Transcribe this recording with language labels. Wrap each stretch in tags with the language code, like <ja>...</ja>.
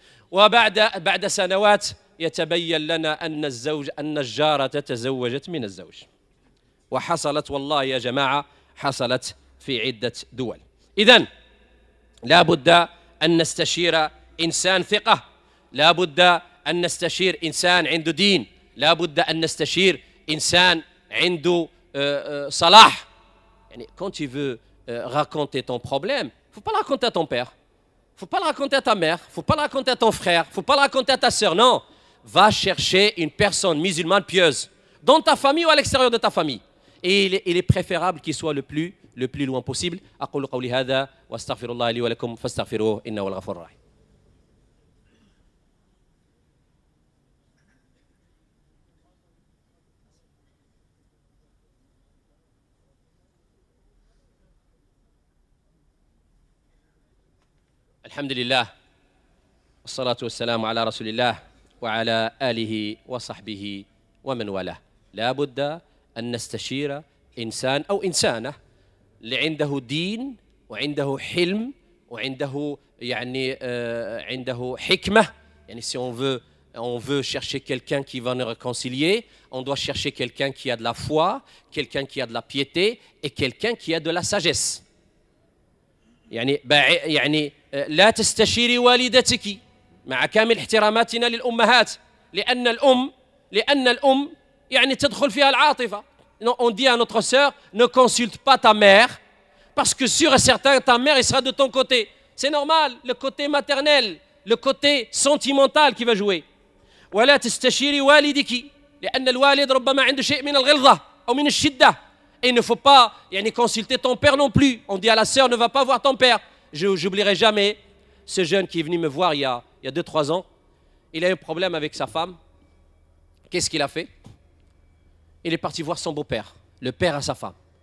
<ar>وبعد سنوات يتبين لنا أن الزوج أن الجارة تزوجت من الزوج, وحصلت والله يا جماعة حصلت في عدة دول. إذن لا بد أن نستشير إنسان ثقة, لا بد أن نستشير إنسان عنده دين, لا بد أن نستشير إنسان عنده صلاح.</ar> <fr>يعني quand tu veux raconter ton problème, faut pas le raconter à ton père, faut pas le raconter à ta mère, faut pas le raconter à ton frère, faut pas le raconter à ta sœur. Non, va chercher une personne musulmane pieuse dans ta famille ou à l'extérieur de ta famille, et il est préférable qu'il soit le plus loin possible.</fr> <ar>أقول قولي هذا واستغفر الله لي ولكم فاستغفروه إنه هو الغفور الرحيم. الحمد لله والصلاة والسلام على رسول الله وعلى آله وصحبه ومن والاه. لا بد أن نستشير إنسان أو إنسانة اللي عنده دين وعنده حلم وعنده يعني عنده حكمة.</ar> <fr>يعني si on veut chercher quelqu'un qui va nous réconcilier, on doit chercher quelqu'un qui a de la foi, quelqu'un qui a de la piété et quelqu'un qui a de la sagesse.</fr> <ar>يعني لا تستشيري والدتك مع كامل احتراماتنا للأمهات لأن الأم يعني تدخل فيها العاطفة.</ar> <fr>On dit à notre sœur, ne consulte pas ta mère parce que sûr et certain ta mère sera de ton côté. C'est normal, le côté maternel, le côté sentimental qui va jouer.</fr> <ar>ولا تستشيري والدك لأن الوالد ربما عنده شيء من الغلظة أو من الشدة.</ar> <fr>Et il ne faut pas consulter ton père non plus. On dit à la sœur, ne va pas voir ton père. Je n'oublierai jamais ce jeune qui est venu me voir il y a 2-3 ans. Il a eu un problème avec sa femme. Qu'est-ce qu'il a fait? Il est parti voir son beau-père, le père à sa femme.</fr>